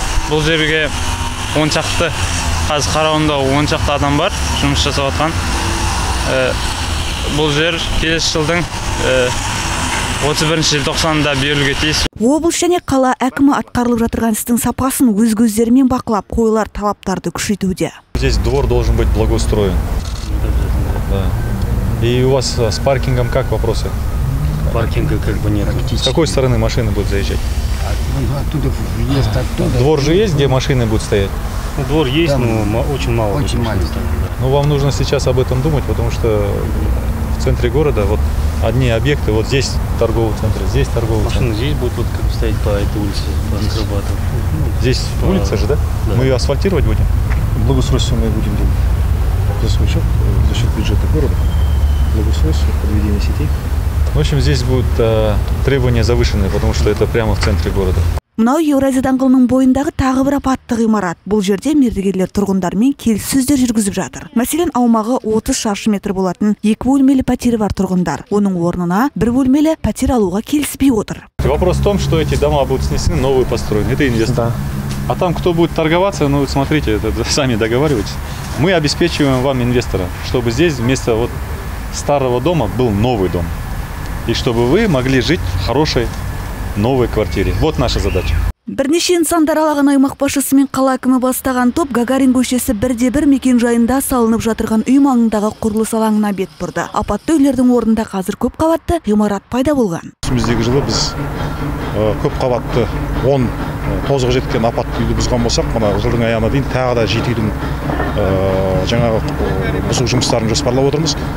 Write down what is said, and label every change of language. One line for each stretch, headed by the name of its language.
Kazakh: Бұл жерге 10 шақты, қазір қарауында 10 шақты адам бар жұмыс жасап отқан. Бұл жер келесі жылдың 31 желтоқсанында берілуге тиіс. Облыс және қала әкімі атқарылып жатырған істің сапасын өз көздерімен бақылап, қойылар талаптарды күшейтуде.
Russian: Здесь двор должен быть благоустроен. И у вас с паркингом как вопросы? Паркинга как бы нет. С какой стороны машины будут заезжать? Оттуда въезд, оттуда. Двор же есть, где машины будут стоять? Двор есть, там, но очень мало. Очень маленький. Ну, вам нужно сейчас об этом думать, потому что в центре города вот одни объекты, вот здесь торговый центр, здесь торговый машины Машины здесь будут вот, как стоять по этой улице, по Скоробогатову. Здесь по... улица же, да? Да? Мы ее асфальтировать будем? Благоустройство мы будем делать. За свой счет бюджета города. благоустройство, подведение сетей. В общем, здесь будут требования завышенные, потому что это прямо в центре города.
Kazakh: Мынау Евразия даңғылының бойындағы тағы бір апатты ғимарат. Бұл жерде мердігерлер тұрғындармен келіссөздер жүргізіп жатыр. Мәселен, аумағы 30 шаршы метр болатын екі бөлмелі пәтері бар тұрғындар. Оның орнына бір бөлмелі пәтер алуға келіспей отыр.
Russian: Вопрос в том, что эти дома будут снесены, новые построены. Это инвестор. Да. А там кто будет торговаться, ну смотрите, это сами договаривайтесь. Мы обеспечиваем вам инвестора, чтобы здесь вместо вот старого дома был новый дом. И чтобы вы могли жить в хорошей новой квартире. Вот наша задача.
Kazakh: Бірнеше нысандар алаған аймақ басшысы мен қала әкімі бастаған топ Гагарин көшесі бірде бір мекенжайында салынып жатырған үй маңындағы құрылыс алаңына бет бұрды. Апатты үйлердің орнында қазір көп қабатты ғимарат пайда болған. Біздегі жылы біз көп қабатты 10 тозығы жеткен апатты үйді бұзған болсақ, мына жылдың аяғына дейін тағы да 7 үйдің жаңағы бұзу жұмыстарын жоспарлап отырмыз.